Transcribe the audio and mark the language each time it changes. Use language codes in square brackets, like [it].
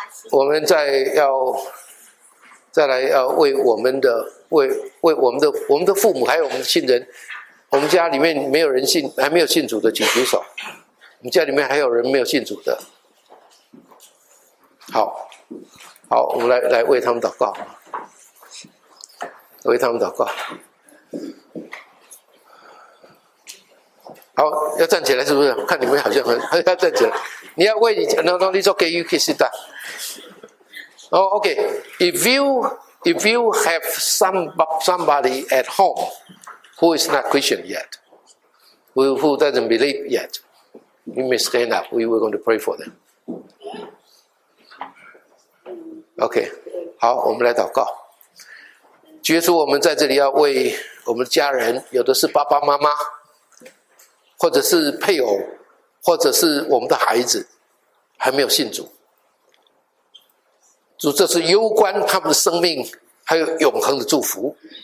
[zh] 我们再来要为我们的父母还有我们的亲人，我们家里面没有人信还没有信主的请举手，我们家里面还有人没有信主的，好，我们来为他们祷告，为他们祷告。好，要站起来是不是？看你们好像很要站起来。你要为你 [en] ，no， it's okay， you can sit down。 Oh， okay， if you have somebody at home who is not Christian yet， who doesn't believe yet， you may stand up。 We were going to pray for them。 [zh] Okay， 好，我们来祷告。主耶稣，我们在这里要为我们家人，有的是爸爸妈妈，或者是配偶，或者是我们的孩子还没有信主，主，这是攸关他们的生命还有永恒的祝福。